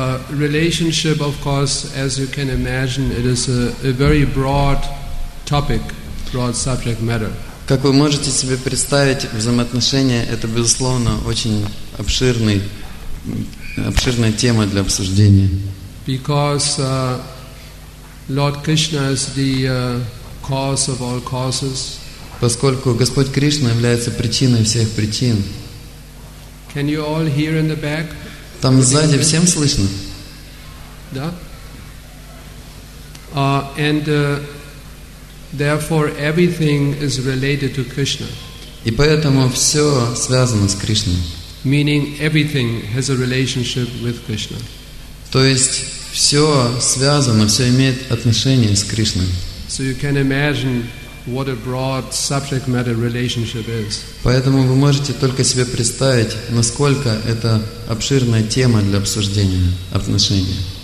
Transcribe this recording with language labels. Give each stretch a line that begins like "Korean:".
English: Relationship, of course, as you can imagine, it is a very broad topic, broad subject matter.
Russian: Как вы можете себе представить, взаимоотношения — это, безусловно, очень обширная тема для обсуждения.
English: Because Lord Krishna is the cause of all causes.
Russian: Поскольку Господь Кришна является причиной всех причин.
English: Can you all hear in the back?
Russian: Там сзади всем слышно? Да.
English: And therefore everything is related to Krishna.
Russian: И поэтому все связано с Кришной.
English: Meaning everything has a relationship with Krishna.
Russian: То есть все связано, все имеет отношение с Кришной.
English: So you can imagine what a broad subject matter relationship is.
Russian: Поэтому вы можете только себе представить, насколько это обширная тема для обсуждения отношений.